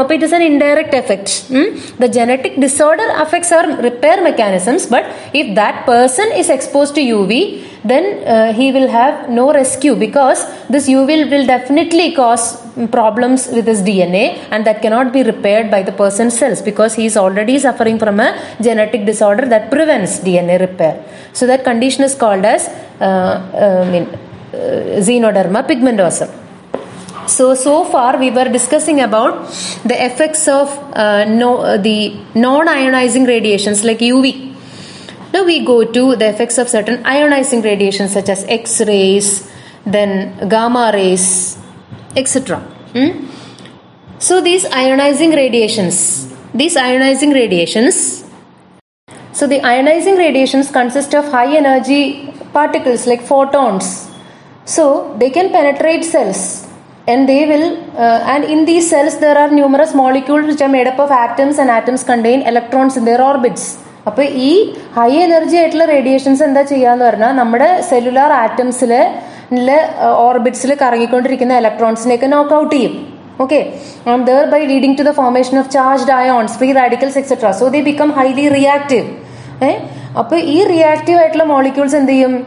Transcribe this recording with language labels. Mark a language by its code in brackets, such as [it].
[en] അപ്പോൾ it is an indirect effect. The genetic disorder affects our repair mechanisms, but if that person is expose to U V, then he will have no rescue, because this UV will definitely cause problems with his DNA, and that cannot be repaired by the person's cells because he is already suffering from a genetic disorder that prevents DNA repair. So that condition is called as Xenoderma pigmentosum. So far we were discussing about the effects of the non ionizing radiations like UV. Now we go to the effects of certain ionizing radiations such as X-rays, then gamma rays, etc. So the ionizing radiations consist of high energy particles like photons. So they can penetrate cells, and they will and in these cells there are numerous molecules which are made up of atoms, and atoms contain electrons in their orbits. [ml] അപ്പോൾ ഈ high energy ആയിട്ടുള്ള radiations എന്താ ചെയ്യാന്ന് പറഞ്ഞാൽ നമ്മുടെ cellular ആറ്റംസിലെ ഓർബിറ്റ്സിൽ കറങ്ങിക്കൊണ്ടിരിക്കുന്ന ഇലക്ട്രോൺസിനെയൊക്കെ നോക്ക് out ചെയ്യും. [en] Okay, and thereby leading to the formation of charged ions, free radicals etcetera. So they become highly reactive. [ml] അപ്പോൾ ഈ റിയാക്റ്റീവ് ആയിട്ടുള്ള മോളിക്യൂൾസ് എന്ത് ചെയ്യും?